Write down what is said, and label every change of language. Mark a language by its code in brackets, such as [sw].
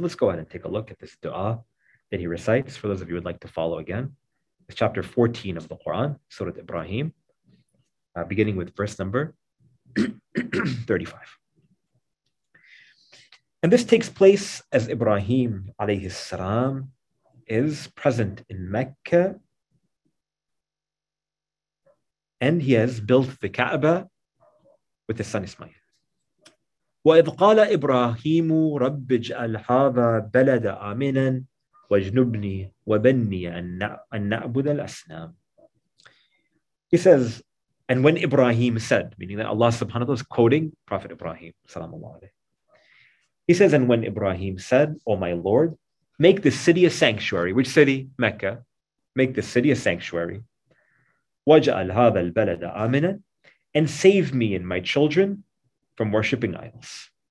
[en] So let's go ahead and take a look at this dua that he recites. For those of you who would like to follow again, it's chapter 14 of the Quran, Surah Ibrahim, beginning with verse number 35. And this takes place as Ibrahim alayhi salam is present in Mecca, and he has built the Kaaba with his son Ismail. [ar] وإذ قال إبراهيم رب اجعل هذا بلد آمنا واجنبني وبني أن نعبد الأصنام. [en] He says, and when Ibrahim said, meaning that Allah subhanahu wa ta'ala is quoting Prophet Ibrahim, salamullah alayhi. He says, and when Ibrahim said, O my Lord, make the city a sanctuary. Which city? Mecca. Make the city a sanctuary. [ar] وَجَعَلْ هَذَا الْبَلَدَ آمِنًا [en] and save me and my children from worshipping idols.